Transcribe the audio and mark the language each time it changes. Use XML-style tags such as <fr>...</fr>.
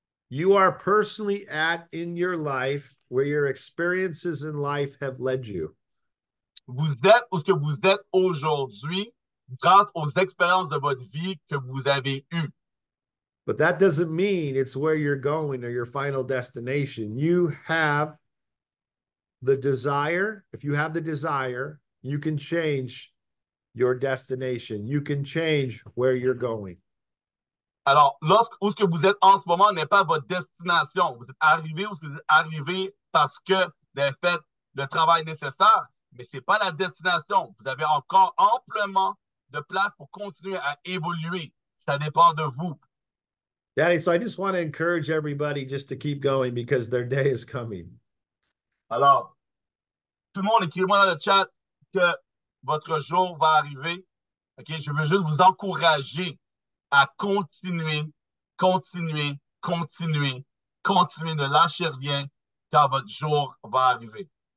<en>You are personally at in your life where your experiences in life have led you.</en> <fr>Vous êtes où ce que vous êtes aujourd'hui grâce aux expériences de votre vie que vous avez eues.</fr> <en>But that doesn't mean it's where you're going or your final destination. You have the desire. If you have the desire, you can change your destination. You can change where you're going.</en> <fr>Alors, lorsque où ce que vous êtes en ce moment n'est pas votre destination. Vous êtes arrivé où vous êtes arrivé parce que vous avez fait le travail nécessaire, mais ce n'est pas la destination. Vous avez encore amplement de place pour continuer à évoluer. Ça dépend de vous.</fr> <en>Daddy, so I just want to encourage everybody just to keep going because their day is coming.</en> <fr>Alors, tout le monde, écrivez-moi dans le chat que votre jour va arriver. OK, je veux juste vous encourager à continuer, continuer, continuer, continuer, ne lâchez rien car votre jour va arriver.</fr>